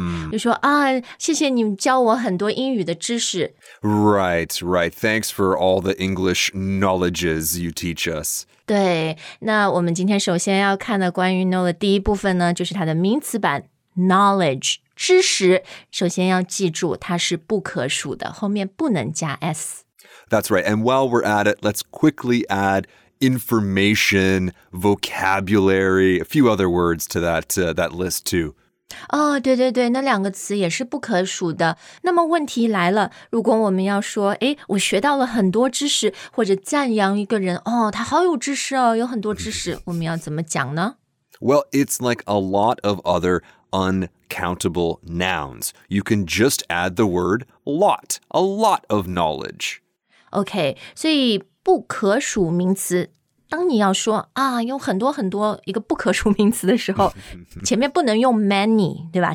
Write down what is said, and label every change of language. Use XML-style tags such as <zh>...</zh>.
<zh>就说啊，谢谢你教我很多英语的知识。</zh> <en>Right, right. Thanks for all the English knowledges you teach us.</en> <zh>对，那我们今天首先要看的关于 know 的第一部分呢，就是它的名词版 knowledge,知识，首先要记住它是不可数的，后面不能加 s。</zh> <en>That's right. And while we're at it, let's quickly add information, vocabulary, a few other words to that list too.</en> <zh>对对对，那两个词也是不可数的。那么问题来了，如果我们要说，哎，我学到了很多知识，或者赞扬一个人，哦，他好有知识哦，有很多知识，我们要怎么讲呢？</zh> <en>Well, it's like a lot of other uncountable nouns. You can just add the word lot, a lot of knowledge.</en> <zh>Okay, 所以不可数名词，当你要说啊，有很多很多一个不可数名词的时候，前面不能用 many, 对吧？</zh>